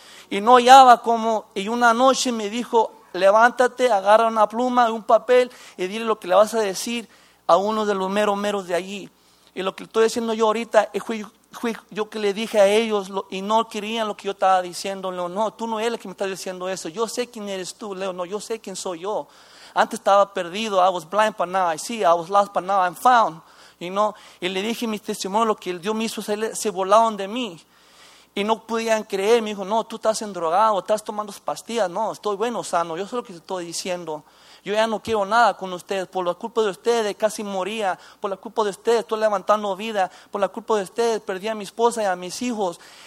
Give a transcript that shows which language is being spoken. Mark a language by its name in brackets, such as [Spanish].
[Spanish] Y no hallaba como, y una noche me dijo, levántate, agarra una pluma, un papel y dile lo que le vas a decir a uno de los meros, meros de allí. Y lo que estoy diciendo yo ahorita es fui yo que le dije a ellos y no querían lo que yo estaba diciendo. Leo, no, tú no eres el que me estás diciendo eso. Yo sé quién eres tú, Leo. No, yo sé quién soy yo. Antes estaba perdido. [English] I was blind, but now I see. I was lost, but now I'm found. [Spanish] Y no, y le dije mi testimonio, lo que Dios me hizo, se volaron de mí. Y no podían creer. Me dijo, no, tú estás endrogado, estás tomando pastillas. No, estoy bueno, sano. Yo sé lo que te estoy diciendo. Yo ya no quiero nada con ustedes. Por la culpa de ustedes casi moría. Por la culpa de ustedes estoy levantando vida. Por la culpa de ustedes perdí a mi esposa y a mis hijos.